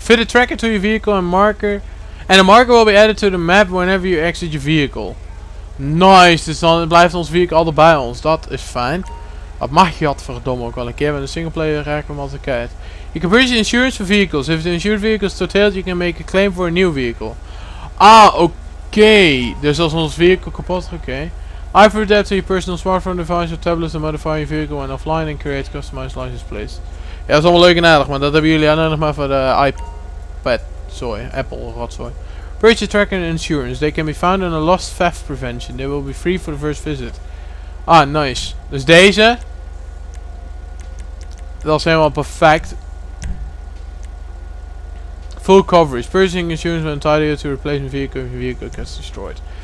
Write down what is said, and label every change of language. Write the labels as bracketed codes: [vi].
[en] Fit a tracker to your vehicle and marker. And a marker will be added to the map whenever you exit your vehicle. [nl] Nice, dus dan blijft ons vehicle altijd bij ons. Dat is fijn. Wat mag je dat verdomme ook wel een keer met een singleplayer raken als ik kijk. [en] You can purchase insurance for vehicles. If the insured vehicle is totaled, you can make a claim for a new vehicle. [nl] Ah, oké. Dus als ons vehicle kapot, oké. [en] I've adapted to your personal smartphone device or tablet to modify your vehicle when offline and create customized license plates. [nl] Ja, dat is allemaal leuk en aardig, maar dat hebben jullie alleen nog maar voor de iPad. Sorry, Apple, rotzooi. [en] Purchase tracker and insurance. They can be found in a lost theft prevention. They will be free for the first visit. [nl] Ah, nice. Dus deze. Dat is helemaal perfect. [en] Full coverage. Purchasing insurance will entitle you to replace your vehicle if your vehicle gets destroyed.